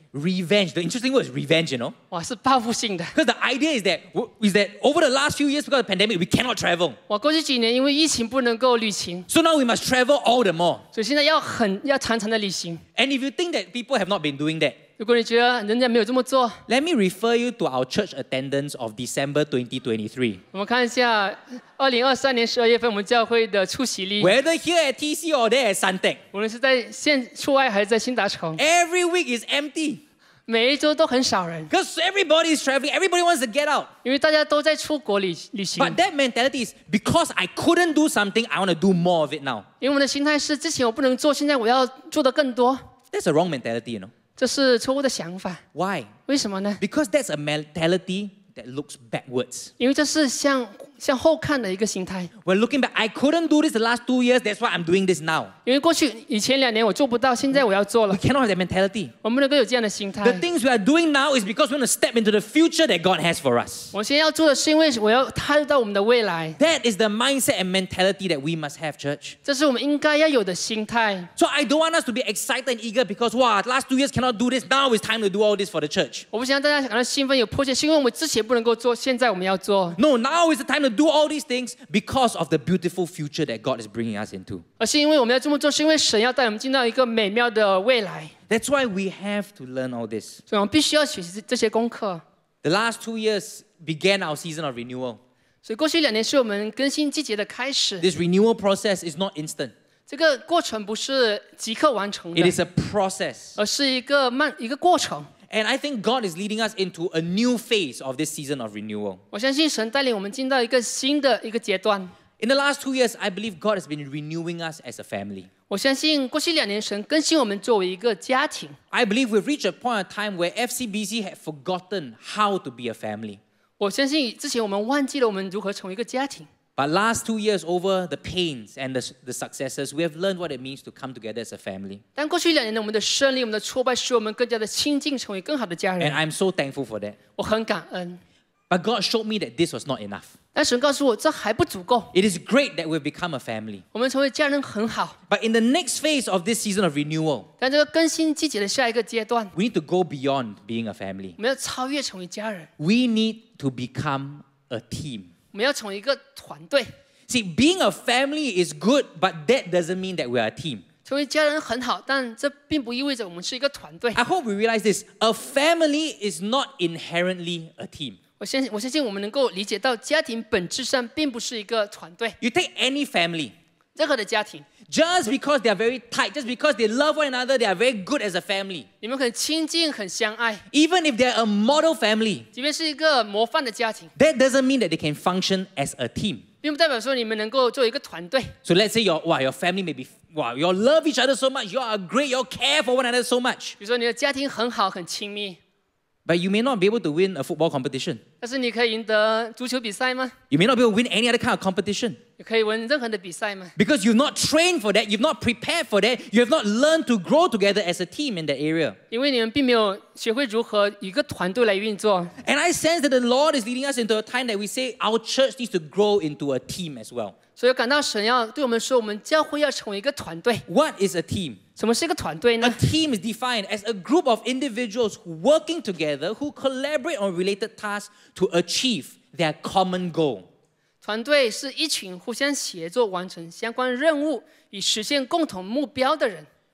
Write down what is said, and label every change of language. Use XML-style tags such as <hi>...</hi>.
<en>Revenge. The interesting word is revenge, you know.</en> <zh>哇，是报复性的。</zh> <en>Because the idea is that over the last few years because of the pandemic, we cannot travel.</en> <zh>哇，过去几年因为疫情不能够旅行。</zh> <en>So now we must travel all the more.</en> <zh>所以现在要常常的旅行。</zh> <en>And if you think that people have not been doing that,</en> <zh>如果你觉得人家没有这么做</zh> <en>，Let me refer you to our church attendance of December 2023.</en> <zh>我们看一下2023年十二月份我们教会的出席率。</zh> <en>Whether here at TC or there at Suntec,</en> <zh>无论是在现出外还是在新达城</zh> <en>，Every week is empty.</en> <zh>每一周都很少人。</zh> <en>Because everybody is traveling, everybody wants to get out.</en> <zh>因为大家都在出国旅行。</zh> <en>But that mentality is because I couldn't do something, I want to do more of it now.</en> <zh>因为我的心态是之前我不能做，现在我要做的更多。</zh> <en>That's a wrong mentality, you know.</en> <zh>这是错误的想法。</zh> <en>Why?</en> <zh>为什么呢</zh> <en>？Because that's a mentality that looks backwards.</en> <zh>因为这是向后看的一个心态。</zh> <en>We're looking back. I couldn't do this the last 2 years. That's why I'm doing this now.</en> <zh>因为过去以前两年我做不到，现在我要做了。</zh> <en>We cannot have that mentality.</en> <zh>我们能够有这样的心态。</zh> <en>The things we are doing now is because we want to step into the future that God has for us.</en> <zh>我现在要做的是因为我要踏入到我们的未来。</zh> <en>That is the mindset and mentality that we must have, church.</en> <zh>这是我们应该要有的心态。</zh> <en>So I don't want us to be excited and eager because, wow, the last 2 years cannot do this. Now is time to do all this for the church.</en> <zh>我不想让大家感到兴奋有迫切，是因为我们之前不能够做，现在我们要做。</zh> <en>No, now is the time to do all these things because of the beautiful future that God is bringing us into.</en> <zh>而是因为我们要这么做，是因为神要带我们进到一个美妙的未来。</zh> <en>That's why we have to learn all this.</en> <zh>所以我们必须要学习这些功课。</zh> <en>The last 2 years began our season of renewal.</en> <zh>所以过去两年是我们更新季节的开始。</zh> <en>This renewal process is not instant.</en> <zh>这个过程不是即刻完成的。</zh> <en>It is a process.</en> <zh>而是一个过程。</zh> <en>And I think God is leading us into a new phase of this season of renewal.</en> <zh>我相信神带领我们进到一个新的一个阶段。</zh> <en>In the last 2 years, I believe God has been renewing us as a family.</en> <zh>我相信过去两年神更新我们作为一个家庭。</zh> <en>I believe we've reached a point of time where FCBC had forgotten how to be a family.</en> <zh>我相信之前我们忘记了我们如何成为一个家庭。</zh> <en>But last 2 years over the pains and the successes, we have learned what it means to come together as a family.</en> <zh>但过去两年的我们的胜利、我们的挫败，使我们更加的亲近，成为更好的家人。</zh> <en>And I'm so thankful for that.</en> <zh>我很感恩。</zh> <en>But God showed me that this was not enough.</en> <zh>但神告诉我这还不足够。</zh> <en>It is great that we've become a family.</en> <zh>我们成为家人很好。</zh> <en>But in the next phase of this season of renewal,</en> <zh>但这个更新季节的下一个阶段</zh> <en>，we need to go beyond being a family.</en> <zh>我们要超越成为家人。</zh> <en>We need to become a team.</en> <zh>我们要成为一个团队。</zh> <en>See, being a family is good, but that doesn't mean that we are a team.</en> <zh>成为家人很好，但这并不意味着我们是一个团队。</zh> <en>I hope we realize this. A family is not inherently a team.</en> <zh>我相信我们能够理解到，家庭本质上并不是一个团队。</zh> <en>You take any family.</en> <zh>任何的家庭。</zh> <en>Just because they are very tight, just because they love one another, they are very good as a family.</en> <zh>你们很亲近，很相爱。</zh> <en>Even if they are a model family,</en> <zh>即便是一个模范的家庭。</zh> <en>That doesn't mean that they can function as a team.</en> <zh>并不代表说你们能够作为一个团队。</zh> <en>So let's say your family may be, wow, you love each other so much, you are great, you care for one another so much.</en> <zh>比如说你的家庭很好，很亲密。</zh> <en>But you may not be able to win a football competition.</en> <zh>但是你可以赢得足球比赛吗</zh> <en>？You may not be able to win any other kind of competition.</en> <zh>你可以玩任何的比赛吗</zh> <en>？Because you've not trained for that, you've not prepared for that, you have not learned to grow together as a team in that area.</en> <zh>因为你们并没有学会如何一个团队来运作。</zh> <en>And I sense that the Lord is leading us into a time that we say our church needs to grow into a team as well.</en> <zh>所以感到神要对我们说，我们教会要成为一个团队。</zh> <en>What is a team?</en> <zh>什么是一个团队呢</zh> <en>？A team is defined as a group of individuals working together who collaborate on related tasks to achieve their common goal.</en> <zh>团队是一群互相协作完成相关任务以实现共同目标的人。</zh>